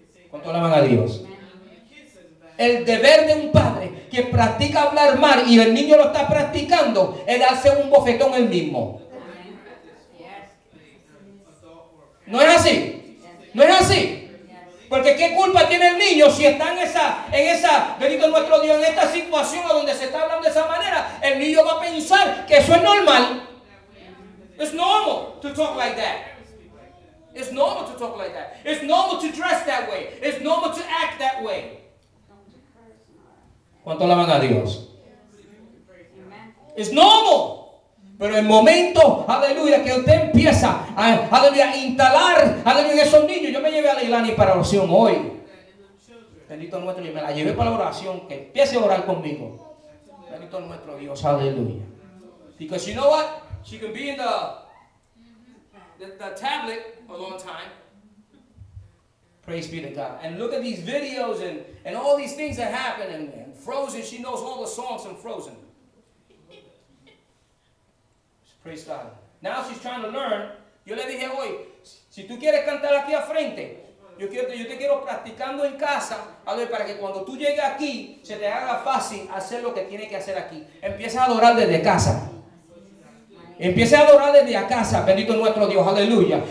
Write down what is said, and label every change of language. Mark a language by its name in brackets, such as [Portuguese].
[Spanish] ¿Cuánto alaban a Dios? El deber de un padre que practica hablar mal y el niño lo está practicando, él hace un bofetón él mismo. ¿No es así? ¿No es así? Porque ¿qué culpa tiene el niño si está en esa, bendito nuestro Dios, en esta situación a donde se está hablando de esa manera? El niño va a pensar que eso es normal. [English] It's normal to talk like that. It's normal to talk like that. It's normal to dress that way. It's normal to act that way. [Spanish] ¿Cuánto alaban a Dios? Es normal. Pero el momento, aleluya, que usted empieza a, aleluya, a instalar, aleluya, en esos niños. Yo me llevé a Leilani para oración hoy. Bendito nuestro Dios. Me la llevé para oración. Que empiece a orar conmigo. Bendito nuestro Dios. Aleluya. [English] Because you know what? She can be in the tablet a long time. Praise be to God. And look at these videos and all these things that happen. And Frozen, she knows all the songs from Frozen. Praise God. Now she's trying to learn. [Spanish] Yo le dije hoy, si tú quieres cantar aquí a frente, yo te quiero practicando en casa, para que cuando tú llegues aquí, se te haga fácil hacer lo que tiene que hacer aquí. Empieza a adorar desde casa. Empiece a adorar desde a casa, bendito nuestro Dios, aleluya.